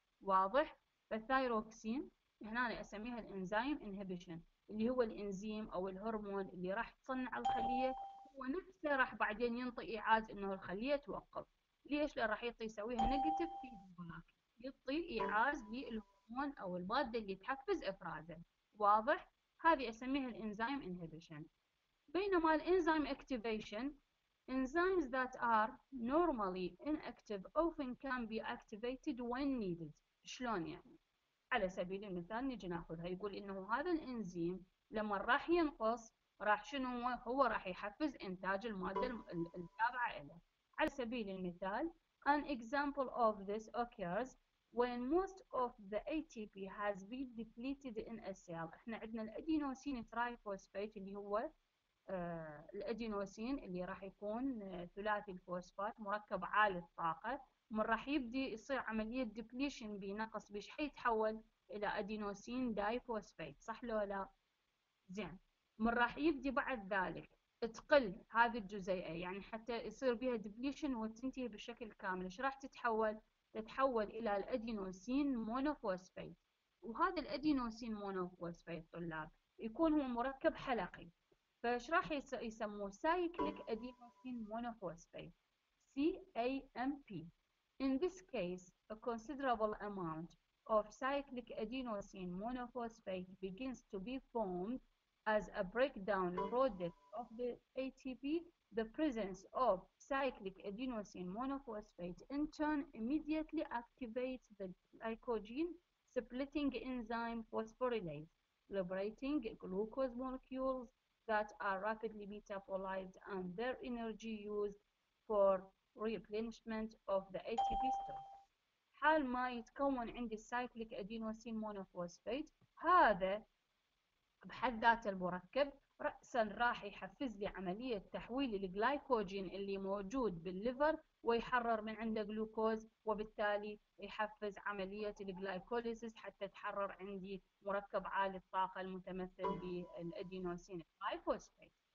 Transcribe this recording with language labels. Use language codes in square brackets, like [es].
[ar] واضح؟ فالثايروكسين هنا أنا أسميها الإنزيم إنهبيشن اللي هو الإنزيم أو الهرمون اللي راح تصنع الخلية، هو نفسه راح بعدين ينطي إيعاز إنه الخلية توقف. ليش؟ لأن راح يطي يسويها نيجاتيف فيدباك، يطي إيعاز للهرمون أو المادة اللي تحفز إفرازه. واضح؟ هذه أسميها الإنزيم إنهبيشن. بينما الإنزيم أكتيفيشن، [en] enzymes that are normally inactive often can be activated when needed. [ar] شلون يعني؟ على سبيل المثال نجي ناخذها، يقول انه هذا الانزيم لما راح ينقص راح شنو هو راح يحفز انتاج الماده التابعه له. على سبيل المثال [en] an example of this occurs when most of the ATP has been depleted in a cell. [ar] احنا عندنا الادينوسين ترايفوسفيت اللي هو الادينوسين اللي راح يكون ثلاثي الفوسفات مركب عالي الطاقه، من راح يبدي يصير عمليه ديبليشن بنقص بش حيتحول الى ادينوسين دايفوسفيت، صح لو لا؟ زين، من راح يبدي بعد ذلك تقل هذه الجزيئه يعني حتى يصير بها ديبليشن وتنتهي بشكل كامل، ايش راح تتحول؟ تتحول الى الادينوسين مونوفوسفيت. وهذا الادينوسين مونوفوسفيت طلاب يكون هو مركب حلقي، فايش راح يسموه؟ سايكليك ادينوسين مونوفوسفيت CAMP. [en] In this case, a considerable amount of cyclic adenosine monophosphate begins to be formed as a breakdown product of the ATP. The presence of cyclic adenosine monophosphate in turn immediately activates the glycogen splitting enzyme phosphorylase, liberating glucose molecules that are rapidly metabolized and their energy used for replenishment of the ATP stock. [ar] حال ما يتكون عندي cyclic adenosine monophosphate، هذا بحد ذات المركب رأسا راح يحفز لي عملية تحويل الجلايكوجين اللي موجود بالليفر ويحرر من عنده جلوكوز، وبالتالي يحفز عملية الجلايكوليسيس حتى تحرر عندي مركب عالي الطاقة المتمثل بالأدينوسين ترايفوسفيت.